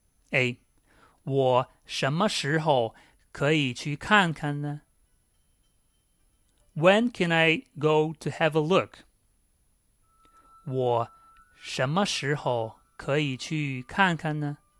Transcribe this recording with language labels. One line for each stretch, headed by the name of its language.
Chinese: A 我什么时候可以去看看呢?
English: When can I go to have a look?
Chinese: 我什么时候可以去看看呢?